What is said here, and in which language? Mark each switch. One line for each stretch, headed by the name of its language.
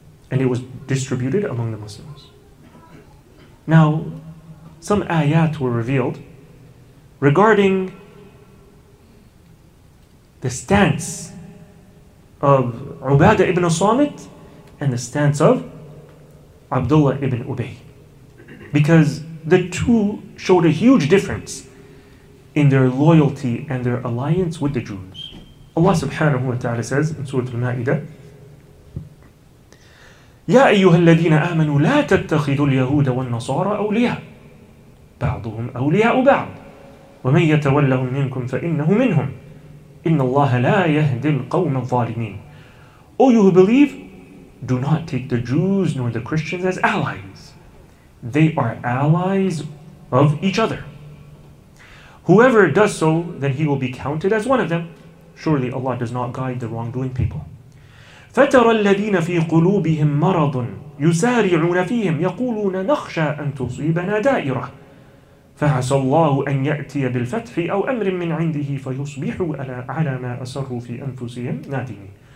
English: And it was distributed among the Muslims. Now, some ayat were revealed regarding the stance of Ubadah ibn Samit and the stance of Abdullah ibn Ubay. Because the two showed a huge difference in their loyalty and their alliance with the Jews.
Arabic: Allah subhanahu wa ta'ala says in Surah Al-Ma'idah, يَا أَيُّهَا الَّذِينَ آمَنُوا لَا تَتَّخِذُوا الْيَهُودَ وَالنَّصَارَ أَوْلِيَاءَ بَعْضُهُمْ أَوْلِيَاءُ بَعْضٍ وَمَنْ يَتَوَلَّهُمْ مِنْكُمْ فَإِنَّهُ مِنْهُمْ إِنَّ اللَّهَ لَا يَهْدِي الْقَوْمَ الظَّالِمِينَ.
English: O you who believe, do not take the Jews nor the Christians as allies. They are allies of each other. Whoever does so, then he will be counted as one of them. Surely Allah does not guide the wrongdoing people.
Arabic: فَتَرَى الَّذِينَ فِي قُلُوبِهِمْ مَرَضٌ يُسَارِعُونَ فِيهِمْ يَقُولُونَ نَخْشَى أَن تُصِيبَنَا دَائِرَةٌ فَعَسَى اللَّهُ أَن يَأْتِيَ بِالْفَتْحِ أَوْ أَمْرٍ مِنْ عِنْدِهِ فَيُصْبِحُوا عَلَى مَا أَسَرُّوا فِي أَنفُسِهِمْ نَادِمِينَ.